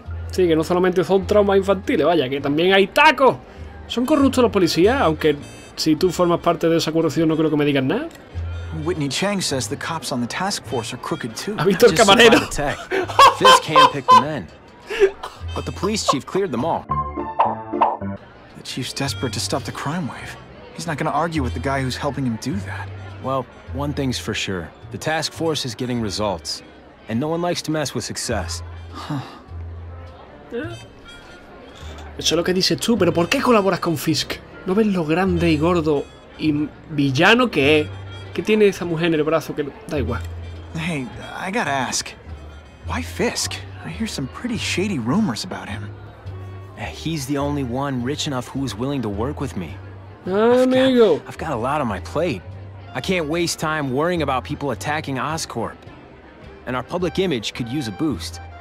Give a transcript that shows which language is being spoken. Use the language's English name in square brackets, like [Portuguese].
[Spanish] Sí, que no solamente son traumas infantiles, vaya, que también hay tacos. ¿Son corruptos los policías? Aunque si tú formas parte de esa corrupción, no creo que me digan nada. [English] Whitney Chang says the cops on the task force are crooked too. [Spanish] ¿Ha visto el camarero? [English] Fizz can't pick the men. But the police chief cleared them all. The chief's desperate to stop the crime wave. He's not going to argue with the guy who's helping him do that. Well, one thing's for sure. The task force is getting results. And no one likes to mess with success. Huh. [Spanish] Eso es lo que dices tú, pero ¿por qué colaboras con Fisk? ¿No ves lo grande y gordo y villano que es? ¿Qué tiene esa mujer en el brazo que da igual? [English] Hey, I gotta ask. Why Fisk? I hear some pretty shady rumors about him. He's the only one rich enough who is willing to work with me. [Spanish] Amigo. [English] I've got a lot on my plate. I can't waste time worrying about people attacking Oscorp. And our public image could use a boost.